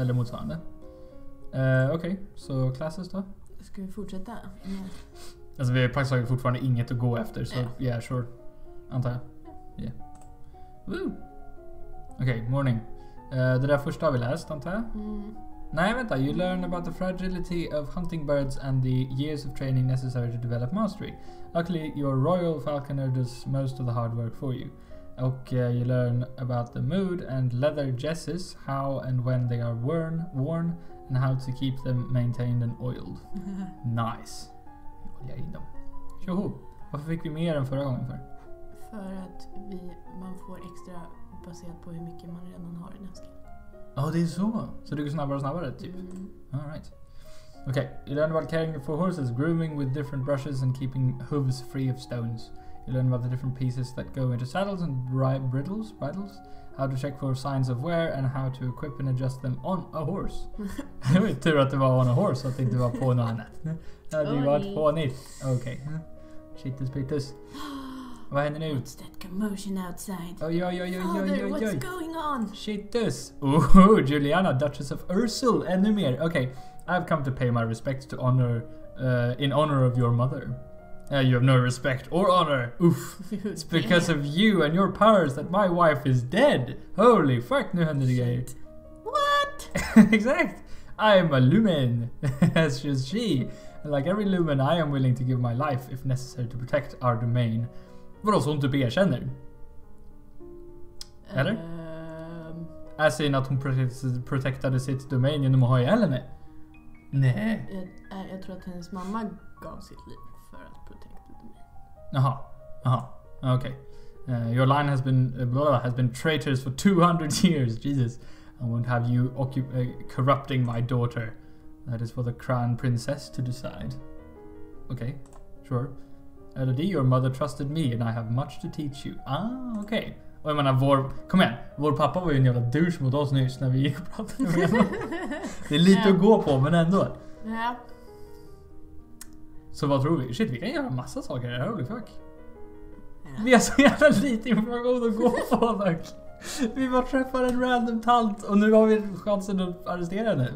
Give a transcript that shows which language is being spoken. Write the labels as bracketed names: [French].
[Swedish] Eller motsvarande. Okej, okay, så classes då? Ska vi fortsätta? Alltså, vi har praktiskt taget fortfarande inget att gå efter. Så, [English] yeah, sure. [Swedish] Antar jag. Ja. [English] Yeah. Woo! Okej, okay, morning. [Swedish] Det där första har vi läst, antar jag. Mm. Nej, vänta. [English] You learn about the fragility of hunting birds and the years of training necessary to develop mastery. Luckily, your royal falconer does most of the hard work for you. [Swedish] Och [English] you learn about the mood and leather jesses, how and when they are worn, and how to keep them maintained and oiled. [Swedish] Nice. Jag håller in dem. Tjoho. Varför fick vi mer än förra gången för? För att man får extra... baserat på hur mycket man redan har i nästa. Ja, oh, det är så. Så du går snabbare och snabbare typ. Mm. [English] All right. Okay, you learn about caring for horses, grooming with different brushes and keeping hooves free of stones. You learn about the different pieces that go into saddles and bridles, how to check for signs of wear and how to equip and adjust them on a horse. [Swedish] Det var tur att det var [English] on a horse, [Swedish] så att det inte var på något annat. Det hade ju varit fånigt. Okej. Shittus pittus. Vad händer nu? [English] What's that commotion outside? Oj, oj, oj, oj, oj, oj, what's going on? Shittus. Oh, Juliana, Duchess of Ursul. [Swedish] Ännu mer. [English] Okej. Okay. I've come to pay my respects to honor In honor of your mother. You have no respect or honor. Oof. It's because of you and your powers that my wife is dead. Holy fuck, [Swedish] nu händer det grejer. [English] What? Exakt. I am a lumen, as is she. And like every lumen, I am willing to give my life if necessary to protect our domain. [Swedish] Vadå, så hon typ erkänner? Eller? [English] As in [Swedish] att hon protectade sitt domain genom att ha ihjäl henne. Nej. Jag tror att hennes mamma gav sitt liv för att protecta domain. Jaha, jaha, okej. Okay. [English] Your line has been has been traitors for 200 years, Jesus. I won't have you corrupting my daughter. That is for the crown princess to decide. Okay, sure. Elodie, your mother trusted me and I have much to teach you. Ah, okay. [Swedish] Och jag menar, kom igen, vår pappa var ju en jävla douche mot oss nyss när vi gick och pratade med honom. Det är lite att gå på, men ändå. Ja. Så vad tror vi? Shit, vi kan göra massa saker här, [English] holy fuck. [Swedish] Ja. Vi har så jävla lite information att gå på, dock. Vi bara träffar en random tant och nu har vi chansen att arrestera henne.